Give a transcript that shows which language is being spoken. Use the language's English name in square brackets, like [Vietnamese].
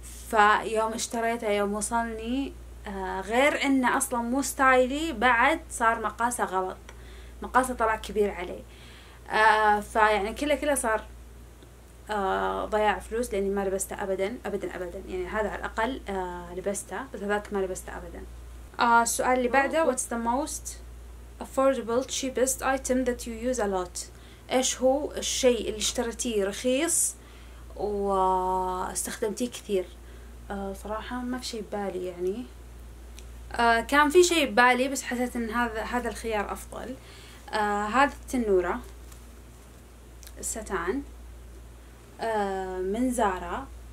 [Arabic] فيوم اشتريته يوم وصلني، غير انه اصلا مو ستايلي، بعد صار مقاسه غلط، مقاسه طلع كبير علي، فيعني كله صار ضياع فلوس، لاني ما لبسته ابدا ابدا ابدا يعني. هذا على الاقل لبسته، بس هذاك ما لبسته ابدا. السؤال اللي بعده، [English] what's the most affordable cheapest item that you use a lot؟ [Arabic] ايش هو الشيء اللي اشتريتيه رخيص واستخدمتيه كثير؟ صراحة ما في شيء ببالي يعني. كان في شيء ببالي بس حسيت ان هذا الخيار افضل. هذا التنورة الستان من زارا.